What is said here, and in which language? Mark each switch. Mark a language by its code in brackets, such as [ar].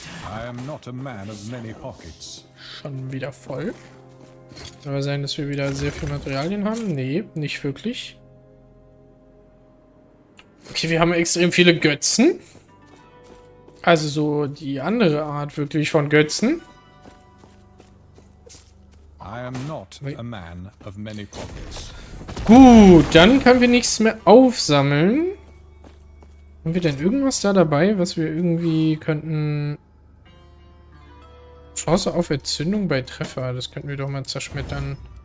[en] I am not a man of many pockets. [de] Schon wieder voll. Kann aber sein, dass wir wieder sehr viel Materialien haben. Nee, nicht wirklich. Okay, wir haben extrem viele Götzen. Also so die andere Art wirklich von Götzen. [en] I am not a man of many pockets. [de] Gut, dann können wir nichts mehr aufsammeln. Haben wir denn irgendwas da dabei, was wir irgendwie könnten... Chance auf Entzündung bei Treffer, das könnten wir doch mal zerschmettern.